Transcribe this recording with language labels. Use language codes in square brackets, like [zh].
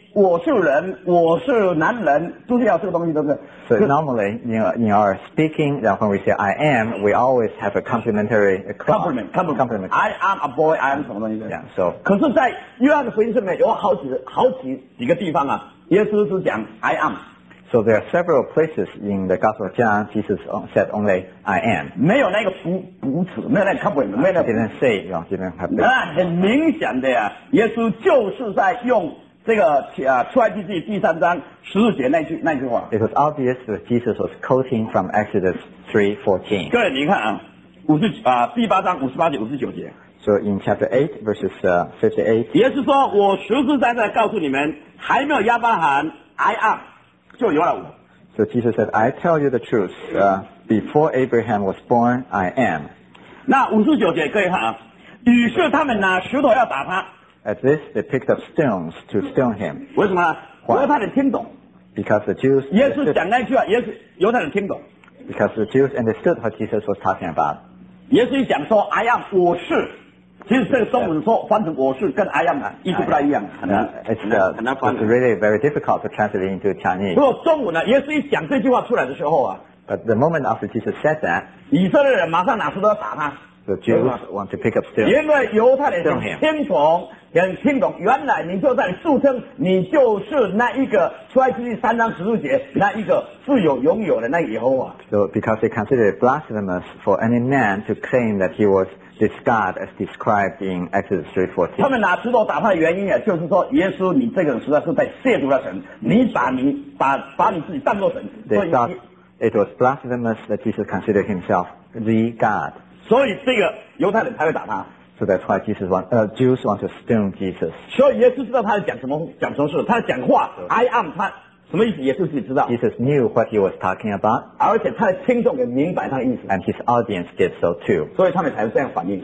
[zh] 我是人，我是男人，都是要这个东西，对不对？ [en] So normally in our speaking, when we say I am, we always have a complimentary compliment. I am a boy. I am [zh] 什么东西？对。 Yeah, so 可是，在约翰的福音里面有好几个地方啊，耶稣是讲 [en] I am。 So there are several places in the Gospel of John, Jesus said only, I am. [zh] 没有那个补词，没有那个 compliment, 没有那个。 [en] He didn't say, you know, didn't have that. [zh] 那很明显的呀，耶稣就是在用这个出埃及记第三章十四节那句话。 [en] It was obvious that Jesus was quoting from Exodus 3:14. [zh] 各位您看啊，第八章五十八节五十九节。 [en] So in chapter 8, verses 58. [zh] 耶稣说，我实实在在告诉你们，还没有亚伯拉罕 [en] I am. So Jesus said, I tell you the truth, before Abraham was born, I am. [zh] 那五十九节可以看啊，于是他们拿石头要打他。 [en] At this, they picked up stones to stone him. [zh] 为什么呢？因为他们听懂。 [en] Because the Jews. [zh] 耶稣讲那句话，犹太人听懂。 [en] Because the Jews understood what Jesus was talking about. [zh] 耶稣讲说 [en] I am, [zh] 我是。其实这个中文说翻成我是跟 [en] I am [zh] 意思不太一样，很难翻。 [en] It's really very difficult to translate into Chinese. [zh] 不过中文呢，耶稣一讲这句话出来的时候啊 [en] ，But the moment after Jesus said that， [zh] 以色列人马上拿石头打他。 [en] The Jews want to pick up stones. [zh] 因为犹太人很听懂，原来你就在诉称你就是那一个出埃及记三章十四节那一个自由拥有的那个耶和华。 [en] So because they considered it blasphemous for any man to claim that he was this God as described in Exodus 3:14. [zh] 他们拿石头打他的原因啊，就是说耶稣，你这个人实在是在亵渎了神，你把你自己当作神。 [en] They thought it was blasphemous that Jesus considered himself the God. [zh] 所以这个犹太人才会打他。 [en] So that's why Jesus want, Jews want to stone Jesus. [zh] 所以耶稣知道他在讲什么事，他在讲话。 [en] I am [zh] 他什么意思？耶稣自己知道。 [en] Jesus knew what he was talking about. [zh] 而且他的听众也明白他的意思。 [en] And his audience did so too. [zh] 所以他们才会这样反应。